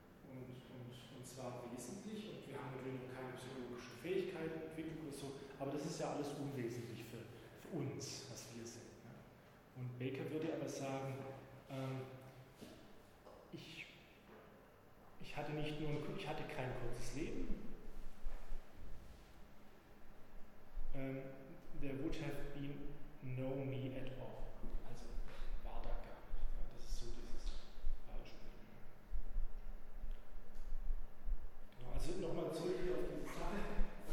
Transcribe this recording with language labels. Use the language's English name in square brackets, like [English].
[German] Und zwar wesentlich, und wir haben natürlich noch keine psychologischen Fähigkeiten entwickelt oder so, aber das ist ja alles unwesentlich für uns, was wir sind. Ja. Und Baker würde aber sagen, ich hatte kein kurzes Leben. [English] There would have been no me at all. [German] Also war da gar nicht. Ja, das ist so dieses Beispiel. Genau, also nochmal zurück hier auf diese Zahl.